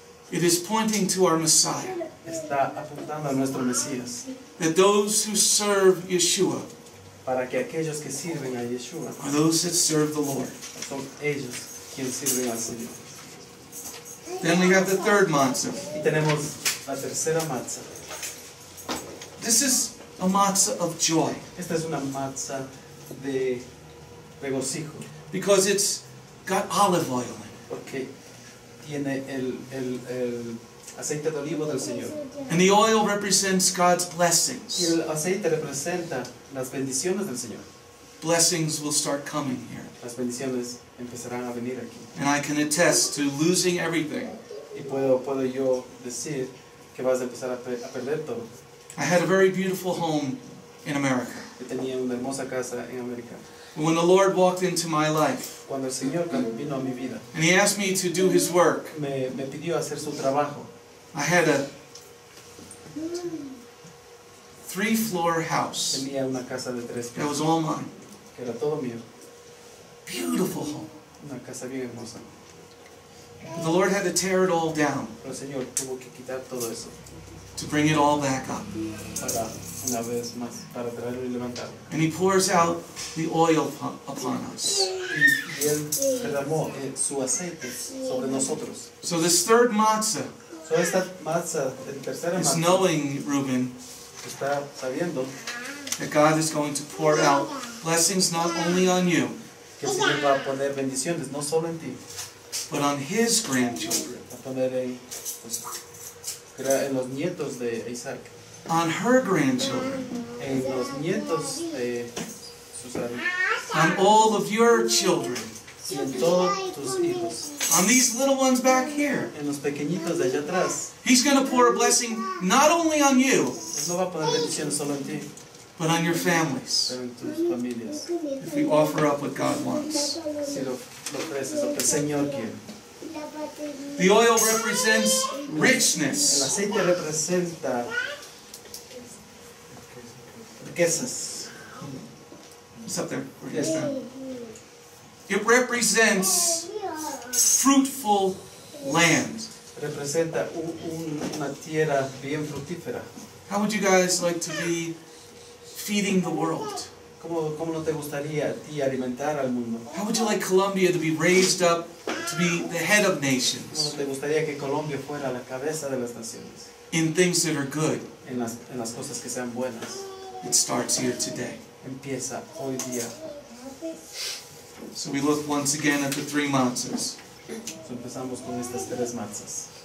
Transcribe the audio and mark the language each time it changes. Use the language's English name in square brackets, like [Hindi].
[English] It is pointing to our Messiah. [Spanish] Está apuntando a nuestro Mesías. [English] That those who serve Yeshua, [Spanish] para que aquellos que sirven a Yeshua, [English] are those that serve the Lord. [Spanish] Son ellos quienes sirven al Señor. [English] Then we have the third matzah. [Spanish] Y tenemos la tercera matzah. [English] This is a matzah of joy. [Spanish] Esta es una matzah de regocijo. [English] Because it's got olive oil in it. [Spanish] Porque tiene el aceite de olivo del Señor. [English] And the oil represents God's blessings. [Spanish] Y el aceite representa las bendiciones del Señor. [English] Blessings will start coming here. [Spanish] Las bendiciones empezarán a venir aquí. [English] And I can attest to losing everything. [Spanish] Y puedo yo decir que vas a empezar a perder todo. [English] I had a very beautiful home in America. [Spanish] Yo tenía una hermosa casa en América. [English] When the Lord walked into my life, [Spanish] cuando el Señor vino a mi vida, [English] and He asked me to do His work, [Spanish] me pidió hacer su trabajo, [English] I had a three-floor house, [Spanish] tenía una casa de tres pisos, [English] that was all mine, [Spanish] que era todo mío. [English] Beautiful home, [Spanish] una casa bien hermosa. [English] The Lord had to tear it all down, [Spanish] el Señor tuvo que quitar todo eso, [English] to bring it all back up. [Spanish] Para una vez más, para traerlo y levantarlo. [English] And He pours out the oil upon us. [Spanish] Y Él derramó su aceite sobre nosotros. [English] So this third matzah, [Spanish] so esta matzah, el tercera matzah, [English] is knowing, Reuben, [Spanish] está sabiendo, [English] that God is going to pour out blessings not only on you, [Spanish] que el Señor va a poner bendiciones no solo en ti, [English] but on His grandchildren. [Spanish] A poner ahí, pues, en los nietos de Isaac. [English] On her grandchildren. [Spanish] En los nietos de Susana. [English] On all of your children. [Spanish] y en todos tus hijos. [English] On these little ones back here. [Spanish] En los pequeñitos de allá atrás. [English] He's going to pour a blessing not only on you. [Spanish] Él no va a poner bendición solo en ti. [English] But on your families. [Spanish] Pero en tus familias. [English] If we offer up what God wants. [Spanish] Si lo ofreces, lo que el Señor quiere. [English] The oil represents richness. [Spanish] El aceite representa riquezas. [English] Something. Yes, ma'am. It represents fruitful land. [Spanish] Representa una tierra bien fructífera. [English] How would you guys like to be feeding the world? [Spanish] ¿Cómo no te gustaría a ti alimentar al mundo? [English] How would you like Colombia to be raised up to be the head of nations? [Spanish] ¿Cómo te gustaría que Colombia fuera la cabeza de las naciones? [English] In things that are good. [Spanish] En las cosas que sean buenas. [English] It starts here today. [Spanish] Empieza hoy día. [English] So we look once again at the three matzahs. [Spanish] So empezamos con estas tres matzahs.